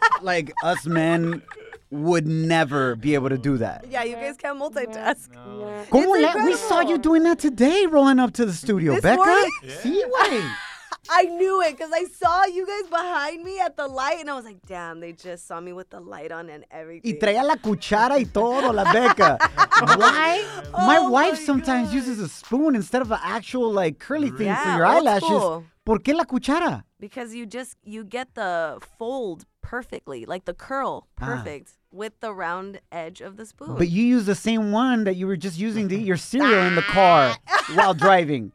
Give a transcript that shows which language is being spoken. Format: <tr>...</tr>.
<en>Like, us men would never be able to do that. Yeah, you guys can't multitask. No. No. We saw you doing that today, rolling up to the studio, this Becca. Yeah. I knew it because I saw you guys behind me at the light, and I was like, damn, they just saw me with the light on and everything.</en> <es>Y traía la cuchara y todo, la Becca.</es> <en>Why? My wife sometimes uses a spoon instead of an actual, like, curly thing for your eyelashes. Cool.</en> <es>¿Por qué la cuchara?</es> <en>Because you get the fold perfectly, like the curl, perfect, with the round edge of the spoon. But you use the same one that you were just using to eat your cereal in the car while driving.</en>